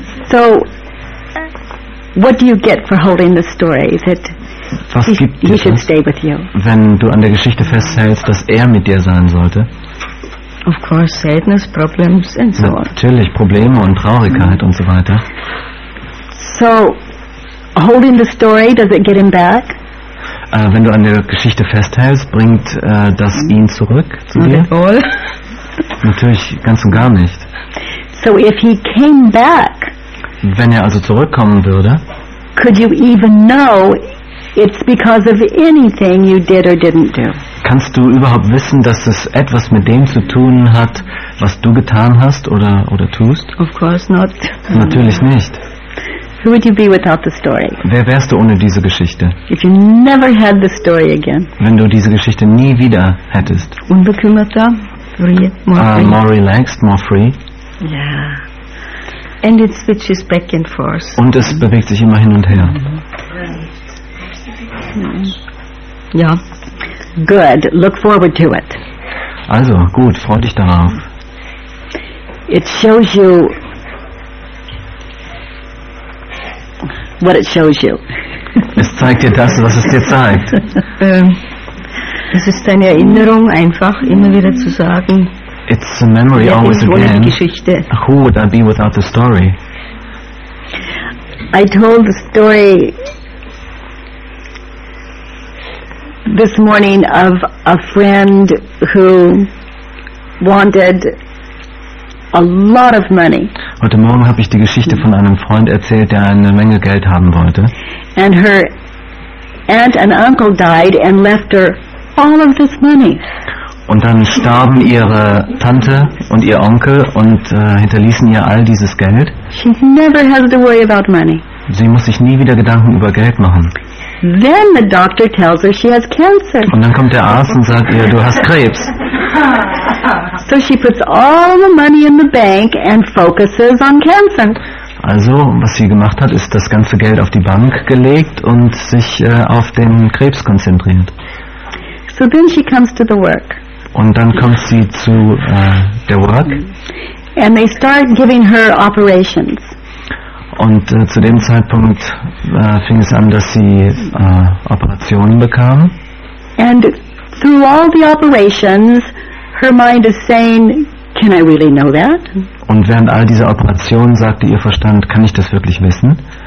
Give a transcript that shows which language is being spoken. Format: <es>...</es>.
<en>So, what do you get for holding the story? Is it</en> <de>was gibt</de> <en>he should stay with you?</en> <de>Wenn du an der Geschichte festhältst, dass mit dir sein sollte?</de> <en>Of course, sadness, problems and so on.</en> <de>Natürlich, Probleme und Traurigkeit und so weiter.</de> <en>So, holding the story, does it get him back?</en> <de>Wenn du an der Geschichte festhältst, bringt das ihn zurück zu</de> <en>not</en> <de>dir?</de> <en>At all.</en> <de>Natürlich, ganz und gar nicht.</de> <en>So, if he came back,</en> <de>wenn also zurückkommen würde,</de> <en>could you even know it's because of anything you did or didn't do?</en> <de>Kannst du überhaupt wissen, dass es etwas mit dem zu tun hat, was du getan hast oder tust?</de> <en>Of course not.</en> <de>Natürlich nicht.</de> <en>Who would you be without the story?</en> <de>Wer wärst du ohne diese Geschichte?</de> <en>If you never had the story again.</en> <de>Wenn du diese Geschichte nie wieder hättest. Unbekümmerter,</de> <en>free, more free. More relaxed, more free. Yeah. And it switches back and forth.</en> <de>Und es bewegt sich immer hin und her. Ja.</de> <en>Good. Look forward to it.</en> <de>Also, gut, freu dich darauf.</de> <en>It shows you what it shows you.</en> <de>Es zeigt dir das, was es dir zeigt. Es ist eine Erinnerung, einfach immer wieder zu sagen.</de> <en>It's a memory always again.</en> <de>Ohne die Geschichte.</de> <en>Who would I be without the story? I told the story this morning of a friend who wanted a lot of money.</en> <de>Heute Morgen habe ich die Geschichte von einem Freund erzählt, der eine Menge Geld haben wollte.</de> <en>And her aunt and uncle died and left her all of this money.</en> <de>Und dann starben ihre Tante und ihr Onkel und hinterließen ihr all dieses Geld.</de> <en>She never has to worry about money.</en> <de>Sie muss sich nie wieder Gedanken über Geld machen.</de> <en>Then the doctor tells her she has cancer.</en> <de>Und dann kommt der Arzt und sagt ihr, du hast Krebs.</de> <en>So she puts all the money in the bank and focuses on cancer.</en> <de>Also, was sie gemacht hat, ist das ganze Geld auf die Bank gelegt und sich auf den Krebs konzentriert.</de> <en>So then she comes to the work.</en> <de>Und dann kommt sie zu der Work.</de> <en>And they start giving her operations.</en> <de>Und zu dem Zeitpunkt fing es an, dass sie Operationen bekam.</de> <en>And through all the operations, her mind is saying, can I really know that?</en> <de>Und während all dieser Operationen sagte ihr Verstand, kann ich das wirklich wissen?</de>